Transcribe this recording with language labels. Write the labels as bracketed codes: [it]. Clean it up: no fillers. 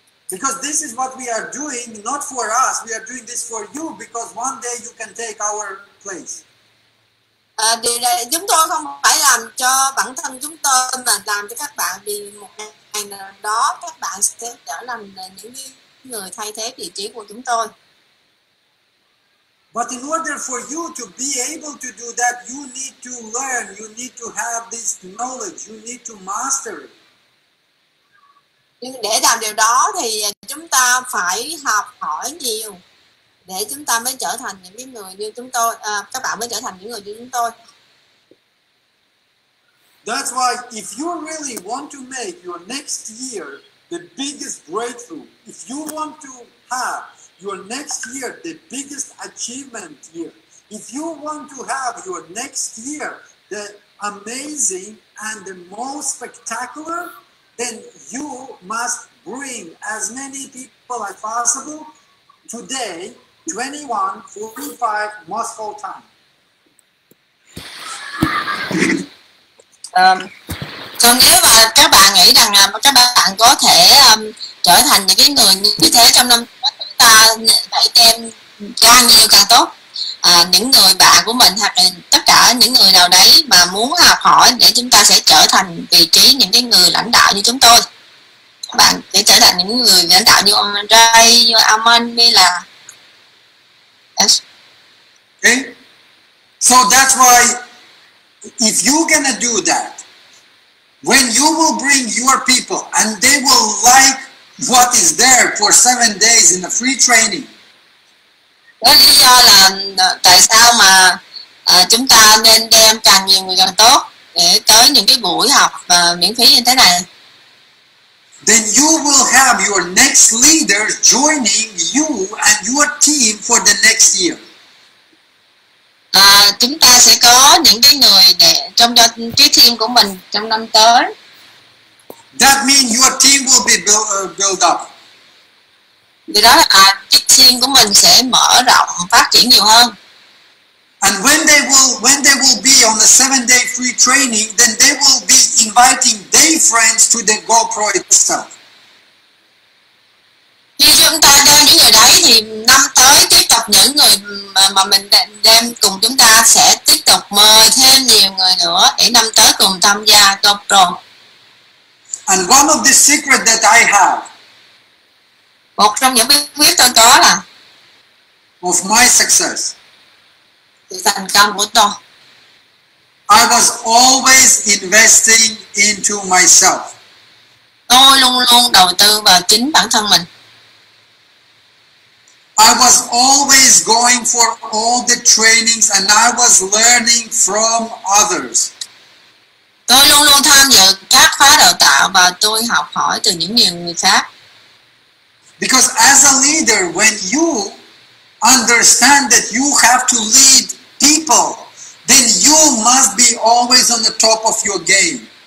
[en] Because this is what we are doing, not for us. We are doing this for you because one day you can take our place. [vi] Điều này chúng tôi không phải làm cho bản thân chúng tôi mà làm cho các bạn vì một ngày nào đó các bạn sẽ trở thành những người thay thế vị trí của chúng tôi. [en] But in order for you to be able to do that, you need to learn, you need to have this knowledge, you need to master it. [vi] Nhưng để làm điều đó thì chúng ta phải học hỏi nhiều để chúng ta mới trở thành những người như chúng tôi, các bạn mới trở thành những người như chúng tôi. [en] That's why if you really want to make your next year the biggest breakthrough, if you want to have your next year the biggest achievement year, if you want to have your next year the amazing and the most spectacular, then you must bring as many people as possible today, 21, 45, Moscow time. [vi] Còn nếu mà các bạn nghĩ rằng các bạn có thể trở thành những cái người như thế trong năm chúng ta phải đem càng nhiều càng tốt những người bạn của mình hoặc tất cả những người nào đấy mà muốn học hỏi để chúng ta sẽ trở thành vị trí những cái người lãnh đạo như chúng tôi, các bạn để trở thành những người lãnh đạo như Andre, như Amon, như là [en] yes. Okay, so that's why if you're gonna do that, when you will bring your people and they will like what is there for 7 days in a free training. [vi] Đó là lý do là tại sao mà chúng ta nên đem càng nhiều người càng tốt để tới những cái buổi học miễn phí như thế này. [en] Then you will have your next leader joining you and your team for the next year. [vi] Chúng ta sẽ có những cái người để trong cho cái team của mình trong năm tới. [en] That means your team will be built up. [vi] Điều đó là cái team của mình sẽ mở rộng phát triển nhiều hơn. [en] And when they will be on the 7-day free training, then they will be inviting their friends to the GoPro itself. [vi] Khi chúng ta đem những người đấy thì năm tới tiếp tục những người mà mình đem cùng chúng ta sẽ tiếp tục mời thêm nhiều người nữa để năm tới cùng tham gia GoPro. [en] And one of the secrets that I have, [vi] một trong những bí quyết tôi có là [en] of my success, [vi] sự thành công của tôi, [en] I was always investing into myself. [vi] Tôi luôn luôn đầu tư vào chính bản thân mình. [en] I was always going for all the trainings and I was learning from others. [vi] Tôi luôn luôn tham dự các khóa đào tạo và tôi học hỏi từ những người khác. [en] Because as a leader, when you understand that you have to lead people, then you must be always on the top of your game.